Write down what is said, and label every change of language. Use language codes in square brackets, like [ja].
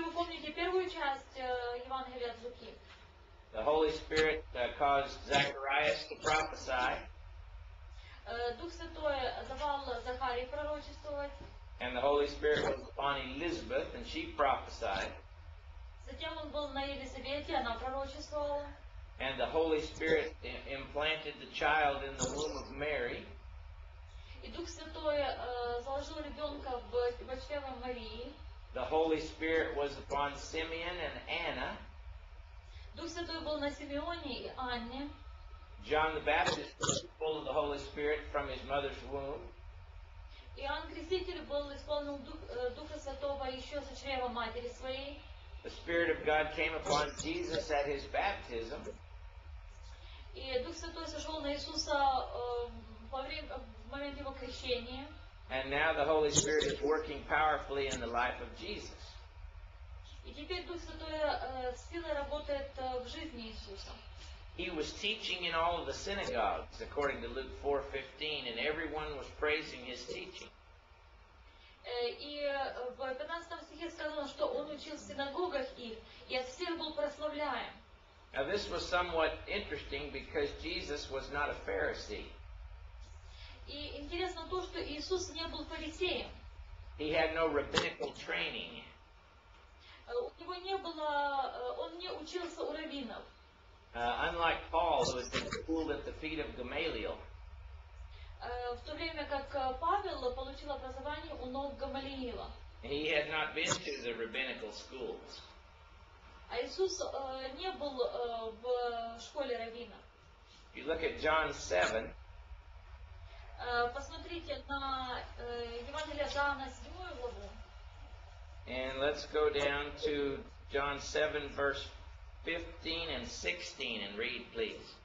[ru] вы помните первую часть Евангелия от Луки, [en] the Holy Spirit caused Zacharias to prophesy. [ru] Дух Святой давал Захарии пророчествовать. [en] And the Holy Spirit was upon Elizabeth, and she prophesied. [ru] Затем он был на Елизавете, она пророчествовала. [en] And the Holy Spirit implanted the child in the womb of Mary. [ru] И Дух Святой заложил ребенка в чреве Марии. [en] The Holy Spirit was upon Simeon and Anna. [ru] Дух Святой был на Симеоне и Анне. [en] John the Baptist was full of the Holy Spirit from his mother's womb. [ru] Иоанн Креститель был исполнен Духа Святого еще со чрева матери своей. [en] The Spirit of God came upon Jesus at his baptism. [ru] И Дух Святой сошел на Иисуса в момент его крещения. [en] And now the Holy Spirit is working powerfully in the life of Jesus. [ru] И теперь Дух Святой силой работает в жизни Иисуса. [en] He was teaching in all of the synagogues, according to Luke 4:15, and everyone was praising his teaching. [ru] И в 15 стихе сказано, что он учил в синагогах их, и от всех был прославляем. [en] Now this was somewhat interesting because Jesus was not a Pharisee. [ru] И интересно то, что Иисус не был фарисеем. [en] He had no rabbinical training. [ru] У него не было, он не учился у раввинов. [en] Unlike Paul, who had been schooled at the feet of Gamaliel. [ru] В то время как Павел получил образование у ног Гамалиила. [en] He had not been to the rabbinical schools. [ru] А Иисус не был в школе раввина. [en] If you look at John 7. [ru] Посмотрите на Евангелие Иоанна 7 главу. [en] And let's go down to John 7, verse 15 and 16 and read, please.